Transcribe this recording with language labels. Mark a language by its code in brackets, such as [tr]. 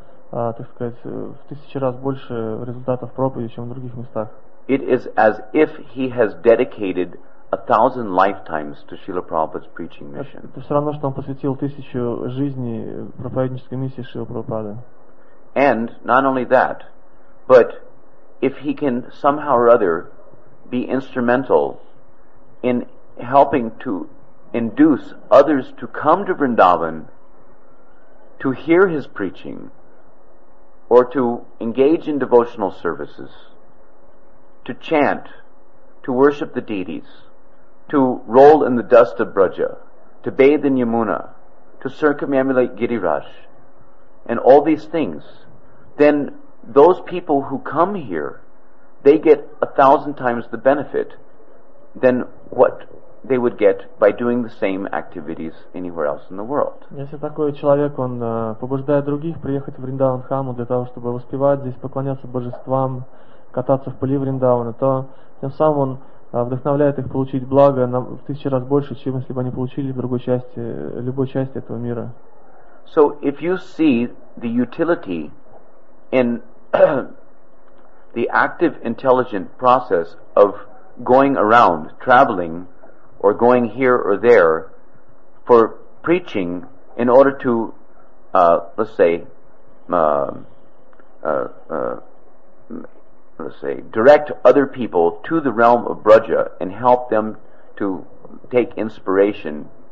[ru] так сказать, в тысячи раз больше результатов проповеди, чем в других местах. [en] It is as if he has dedicated 1,000 lifetimes to Srila Prabhupada's preaching mission. [ru] Это все равно, что он посвятил тысячу жизней проповеднической миссии Шрилы Прабхупады. [en] And not only that, but if he can somehow or other be instrumental in helping to induce others to come to Vrindavan to hear his preaching or to engage in devotional services, to chant, to worship the deities, to roll in the dust of Braja, to bathe in Yamuna, to circumambulate Giriraj, and all these things, then those people who come here, they get 1,000 times the benefit than what they would get by doing the same activities anywhere else in the world. [ru] Если такой человек, он побуждает других приехать в Вриндаван Хаму для того, чтобы воспевать здесь, поклоняться божествам, кататься в поле Вриндавана, то тем самым он вдохновляет их получить благо в тысячи раз больше, чем если бы они получили в другой части, любой части этого мира. [en] So if you see the utility in the active intelligent process of going around, traveling, or going here or there for preaching in order to, let's say, direct other people to the realm of Braja and help them to take inspiration